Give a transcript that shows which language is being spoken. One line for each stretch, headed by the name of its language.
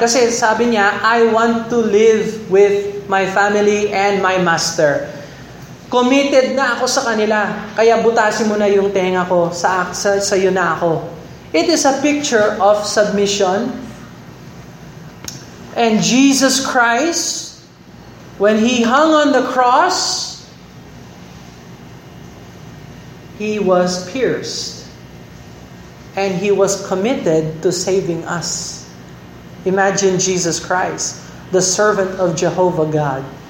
Filipino: Kasi sabi niya,
English: I want to live with my family and my master.
Filipino: Committed na ako sa kanila. Kaya butasin mo na yung tenga ko, sa iyo na ako.
English: It is a picture of submission. And Jesus Christ, when He hung on the cross, He was pierced. And He was committed to saving us. Imagine Jesus Christ, the servant of Jehovah God.